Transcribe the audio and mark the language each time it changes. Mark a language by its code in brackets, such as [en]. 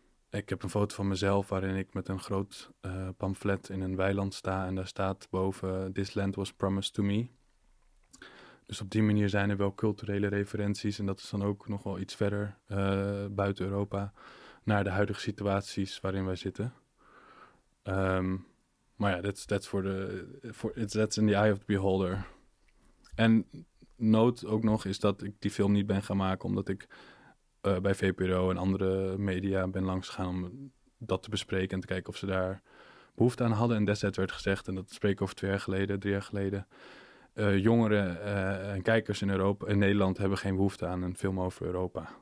[nl] Ik heb een foto van mezelf waarin ik met een groot pamflet in een weiland sta. En daar staat boven, [en] "This land was promised to me." [nl] Dus op die manier zijn er wel culturele referenties. En dat is dan ook nog wel iets verder buiten Europa naar de huidige situaties waarin wij zitten. Maar ja, [en] that's in the eye of the beholder. [nl] En noot ook nog is dat ik die film niet ben gaan maken omdat ik bij VPRO en andere media ben langsgegaan om dat te bespreken en te kijken of ze daar behoefte aan hadden. En destijds werd gezegd, en dat spreek ik over 2 jaar geleden, 3 jaar geleden... jongeren en kijkers in Europa, in Nederland hebben geen behoefte aan een film over Europa.